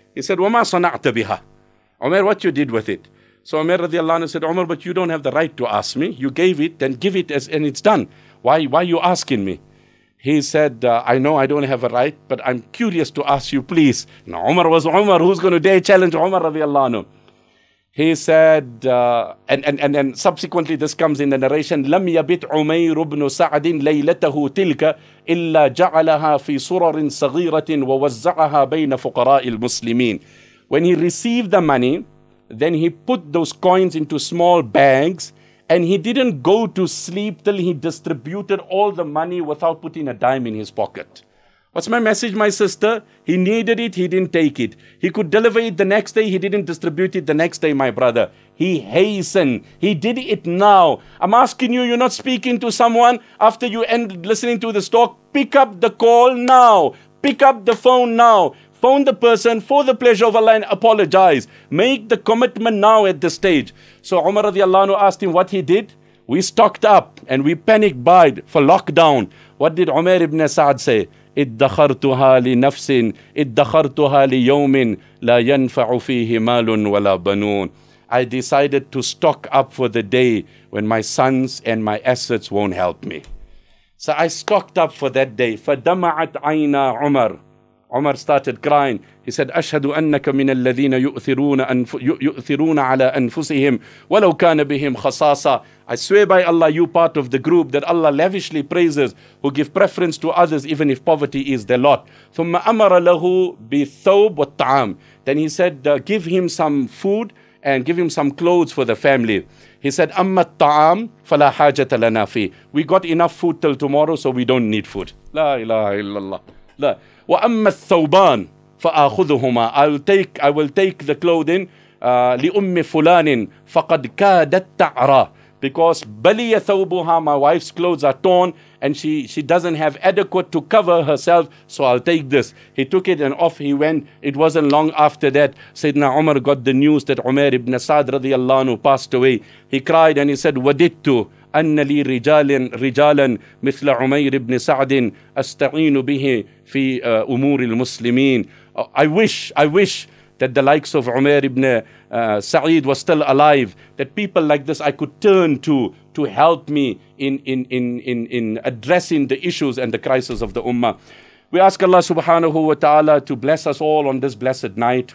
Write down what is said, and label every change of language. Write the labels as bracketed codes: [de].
[en] He said, [ar] wama sana'ta biha? [en] Umar, what you did with it? So Umar radiallahu anhu said, Umar, but you don't have the right to ask me. You gave it, then give it, as, and it's done. Why are you asking me? He said, I know I don't have a right, but I'm curious to ask you, please. Now, Umar was Umar. Who's going to dare challenge Umar radiallahu anhu? He said, and subsequently this comes in the narration, [ar] لَمْ يَبِتْ عُمَيْرُ بْنُ سَعَدٍ لَيْلَتَهُ تِلْكَ إِلَّا جَعَلَهَا فِي صُرَرٍ صَغِيرَةٍ وَوَزَّعَهَا بَيْنَ فُقَرَاءِ الْمُسْلِمِينَ. [en] When he received the money, then he put those coins into small bags, and he didn't go to sleep till he distributed all the money without putting a dime in his pocket. What's my message, my sister? He needed it, he didn't take it. He could deliver it the next day, he didn't distribute it the next day, my brother. He hastened. He did it now. I'm asking you, you're not speaking to someone after you end listening to this talk. Pick up the call now. Pick up the phone now. Phone the person for the pleasure of Allah and apologize. Make the commitment now at this stage. So Umar radiallahu anhu asked him what he did. We stocked up and we panic buyed for lockdown. What did Umar ibn Sa'd say? [ar] اِدَّخَرْتُهَا لِنَفْسٍ اِدَّخَرْتُهَا لِيَوْمٍ لَا يَنْفَعُ فِيهِ مَالٌ وَلَا بَنُونَ. [en] I decided to stock up for the day when my sons and my assets won't help me. So I stocked up for that day. [ar] فَدَمَعَتْ عَيْنَا عُمَرْ. [en] Umar started crying. He said, [ar] أَشْهَدُ أَنَّكَ مِنَ الَّذِينَ يُؤْثِرُونَ عَلَىٰ أَنفُسِهِمْ وَلَوْ كَانَ بِهِمْ خَصَاصَةً. [en] I swear by Allah, you part of the group that Allah lavishly praises, who give preference to others even if poverty is their lot. [ar] ثُمَّ أَمَرَ لَهُ بِثَوْبُ وَالطَّعَامُ. [en] Then he said, give him some food and give him some clothes for the family. He said, [ar] أَمَّا الطَّعَامُ فَلَا حَاجَةَ لَنَا فِي. [en] We got enough food till tomorrow, so we don't need food. [ar] La ilaha illallah. La. وَأَمَّا الثَّوْبَانِ فَآخُذُهُمَا. [en] I will take the clothing [ar] لِأُمِّ فُلَانٍ فَقَدْ كَادَتْ تَعْرَى. [en] Because [ar] بَلِيَ ثَوْبُهَا, [en] my wife's clothes are torn and she doesn't have adequate to cover herself, so I'll take this. He took it and off he went. It wasn't long after that, Sayyidina Umar got the news that Umar ibn Sa'd radiallahu anhu passed away. He cried and he said, [ar] وَدِدْتُ أَنَّ لِي رِجَالًا مِثْلَ عُمَيْرِ ابْنِ سَعْدٍ أَسْتَعِينُ بِهِ فِي أُمُورِ الْمُسْلِمِينَ. [en] I wish that the likes of Umar ibn Sa'id was still alive, that people like this I could turn to help me in addressing the issues and the crisis of the ummah. We ask Allah subhanahu wa ta'ala to bless us all on this blessed night.